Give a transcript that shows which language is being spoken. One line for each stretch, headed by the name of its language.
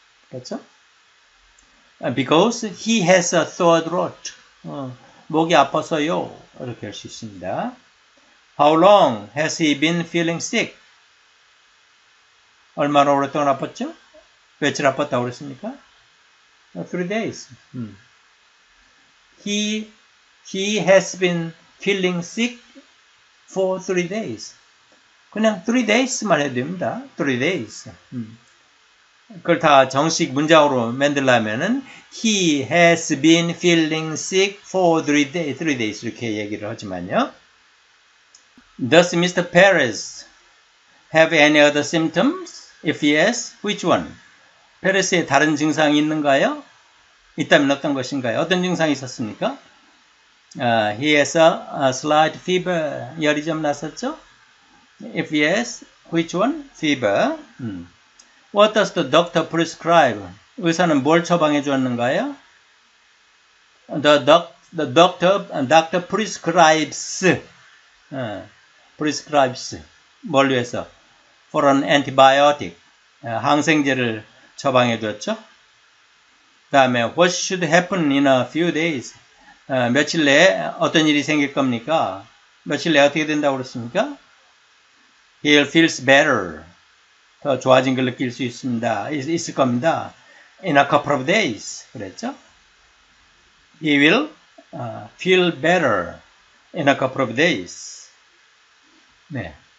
Korean: 그렇죠?
English: Because he has a sore throat.
Korean: 목이 아파서요. 이렇게 할 수 있습니다.
English: How long has he been feeling sick?
Korean: 얼마나 오랫동안 아팠죠? 며칠 아팠다고 그랬습니까?
English: Three days. He has been feeling sick for three days.
Korean: 그냥
English: three days만
Korean: 해도 됩니다.
English: Three days.
Korean: 그걸 다 정식 문장으로 만들려면은
English: He has been feeling sick for three days.
Korean: 이렇게 얘기를 하지만요.
English: Does Mr. Perez have any other symptoms? If yes, which one?
Korean: 페레스에 다른 증상이 있는가요? 있다면 어떤 것인가요? 어떤 증상이 있었습니까?
English: He has a slight fever.
Korean: 열이 좀 났었죠?
English: If yes, Which one? Fever. What does the doctor prescribe?
Korean: 의사는 뭘 처방해 주었는가요?
English: The doctor prescribes. Prescribes.
Korean: 뭘 위해서?
English: For an antibiotic.
Korean: 항생제를 처방해 주었죠. 다음에
English: What should happen in a few days?
Korean: 며칠 내에 어떤 일이 생길 겁니까? 며칠 내에 어떻게 된다고 그랬습니까?
English: He feels better.
Korean: 더 좋아진 걸 느낄 수 있습니다. 있을 겁니다.
English: In a couple of days.
Korean: 그랬죠?
English: He will feel better in a couple of days. 네.